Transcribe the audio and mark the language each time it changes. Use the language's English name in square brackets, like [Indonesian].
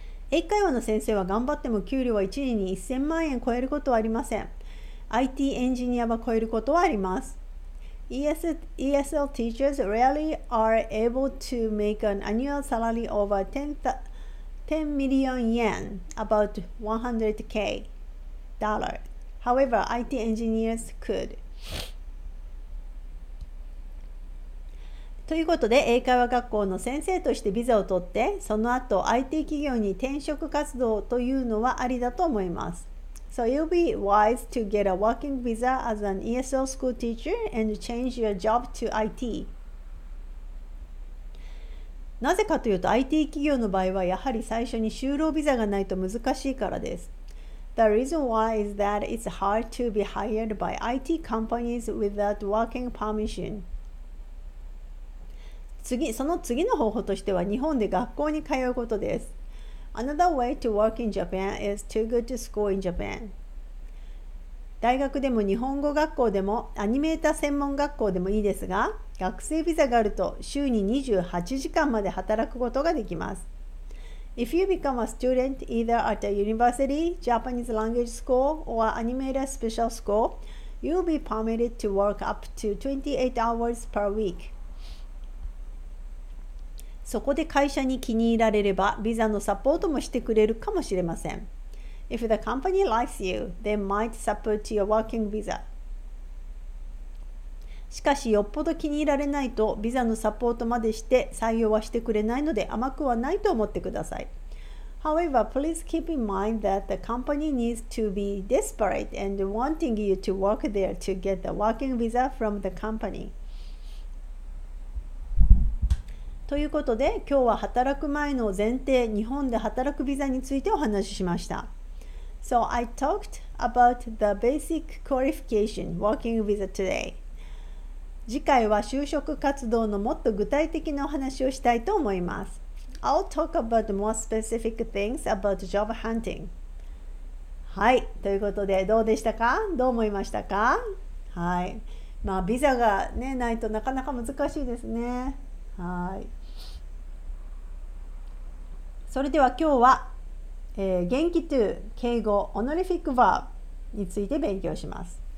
[Japanese] 英会話の先生は頑張っても給料は1年に1000万円超えることはありません。 IT エンジニアは超えることはあります。 [English] ESL teachers rarely are able to make an annual salary over 10 million yen, about $100,000. However, IT engineers could. [Japanese] ということで、英会話学校の先生としてビザを取って、その後 IT 企業に転職活動というのはありだと思います。 [English] So you'll be wise to get a working visa as an ESL school teacher and change your job to IT. [Japanese] なぜかというと、 IT 企業の場合はやはり最初に就労ビザがないと難しいからです。 [English] The reason why is that it's hard to be hired by IT companies without working permission. [Japanese] 次、その次の方法としては、日本で学校に通うことです。 [English] Another way to work in Japan is to go to school in Japan. [Japanese] 大学でも日本語学校でもアニメーター専門学校でもいいですが、学生ビザがあると週に28時間まで働くことができます。 [English] If you become a student either at a university, Japanese language school, or animator special school, you'll be permitted to work up to 28 hours per week. [Japanese] そこで会社に気に入られれば、ビザのサポートもしてくれるかもしれません。 [English] If the company likes you, they might support your working visa. [Japanese] しかし、よっぽど気に入られないと、ビザのサポートまでして採用はしてくれないので、甘くはないと思ってください。 [English] However, please keep in mind that the company needs to be desperate and wanting you to work there to get the working visa from the company. [Japanese] ということで、今日は働く前の前提、日本で働くビザについてお話ししました。 [English] So I talked about the basic qualification working visa today. [Japanese] 次回は就職活動のもっと具体的なお話をしたいと思います。 [English] I'll talk about more specific things about job hunting. [Japanese] はい、ということでどうでしたか？どう思いましたか？はい、まあビザがね、ないとなかなか難しいですね。はい、それでは今日は、元気 to 敬語 [English] honorific verb [Japanese] について勉強します。